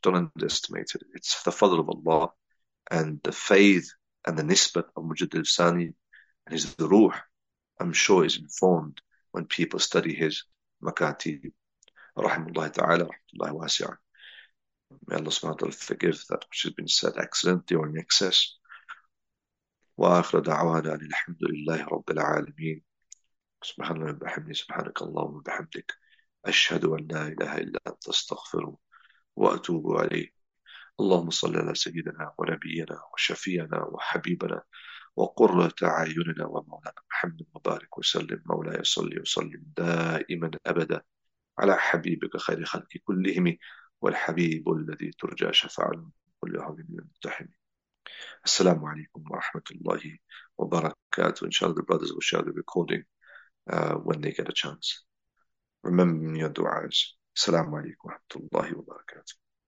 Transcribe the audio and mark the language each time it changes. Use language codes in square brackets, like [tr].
[en] Don't underestimate it. It's the fadl of Allah and the faith and the nisbat of Mujaddid Al-Thani and his ruh, I'm sure, is informed when people study his makatib. [ar] Rahimullah ta'ala, rahimullah wasi'a. [en] May Allah subhanahu wa ta'ala forgive that which has been said accidentally or in excess. [ar] وآخر دعوانا أن الحمد لله رب العالمين سبحانه وبحمده سبحانك اللهم وبحمدك أشهد أن لا إله إلا أنت أستغفر وأتوب عليه. اللهم صل على سيدنا ونبينا وشفينا وحبيبنا وقرة أعيننا ومولانا محمد وبارك وسلم مولاي صلي وسلم دائما أبدا على حبيبك خير خلق كلهم والحبيب الذي ترجى شفاعته كل يوم من المتحم. السلام عليكم ورحمة الله وبركاته. [en] إن شاء الله the brothers will share the recording when they get a chance. Remember your du'as. [ar] السلام عليكم ورحمة الله وبركاته.